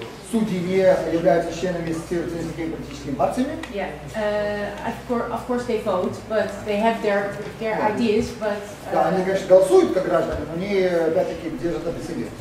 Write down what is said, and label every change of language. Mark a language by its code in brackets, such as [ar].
[ru] Судьи не являются членами с теоретическими политическими партиями. [en] Yeah. Of course they vote, but they have their ideas, but... [ru] Да, они, конечно, голосуют как граждане, но они, опять-таки, держат это при себе.